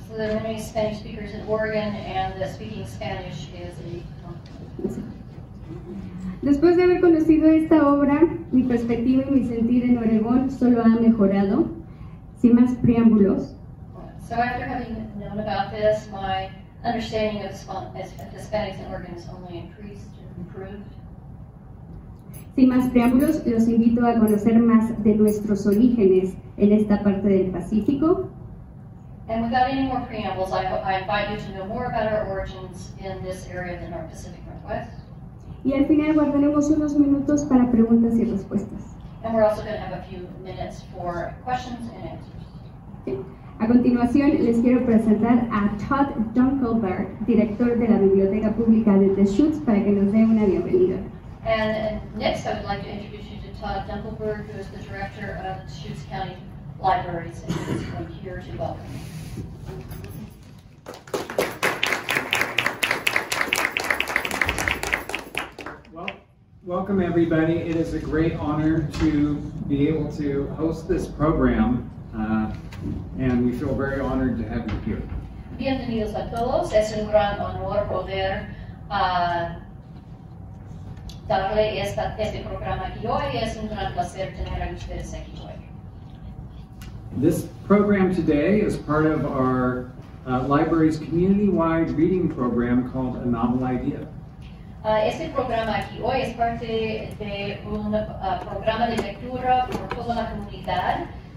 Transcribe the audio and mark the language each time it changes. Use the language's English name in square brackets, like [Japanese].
[English] So there are many Spanish speakers in Oregon, and the speaking Spanish is a compliment. [Spanish] Después de haber conocido esta obra, mi perspectiva y mi sentir en Oregón solo ha mejorado. Sin más preámbulos. [English] So after having known about this, my understanding of Hispanics and Oregon only increased and improved. [Spanish] Sin más preámbulos, los invito a conocer más de nuestros orígenes en esta parte del Pacífico. [English] And without any more preambles, I invite you to know more about our origins in this area of the North Pacific Northwest. [Spanish] Y al final guardaremos unos minutos para preguntas y respuestas. [English] And we're also going to have a few minutes for questions and answers. Okay. [Spanish] A continuación, les quiero presentar a Todd Dunkelberg, director de la Biblioteca Pública de Deschutes, para que nos dé una bienvenida. [English] And next, I would like to introduce you to Todd Dunkelberg, who is the director of Deschutes County Libraries, and he's from here to welcome you. Welcome, everybody. It is a great honor to be able to host this program. And we feel very honored to have you here. [Spanish] Bienvenidos a todos. Es un gran honor poder darle este programa aquí hoy. Es un gran placer tener a ustedes aquí hoy. [English] This program today is part of our library's community-wide reading program called A Novel Idea. [Spanish] Este programa aquí hoy es parte de un programa de lectura por toda la comunidad.